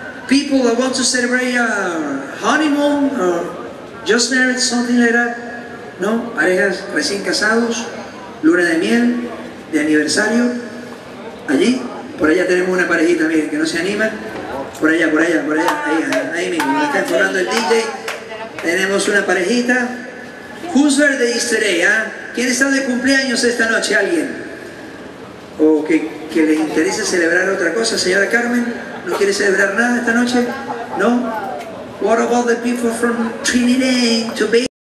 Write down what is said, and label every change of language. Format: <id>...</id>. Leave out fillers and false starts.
<en>People that want to celebrate a honeymoon or just married, something like that.</en> <es>¿No? Parejas recién casados, luna de miel, de aniversario, allí. Por allá tenemos una parejita, miren, que no se anima. Por allá, ahí mismo, me está enfocando el DJ. Tenemos una parejita.</es> <en>Who's birthday is today,</en> <es>¿eh? ¿Quién está de cumpleaños esta noche, alguien? ¿O que les interese celebrar otra cosa, señora Carmen? ¿No quiere celebrar nada esta noche? ¿No?</es> <en>What about the people from Trinidad and Tobago?</en>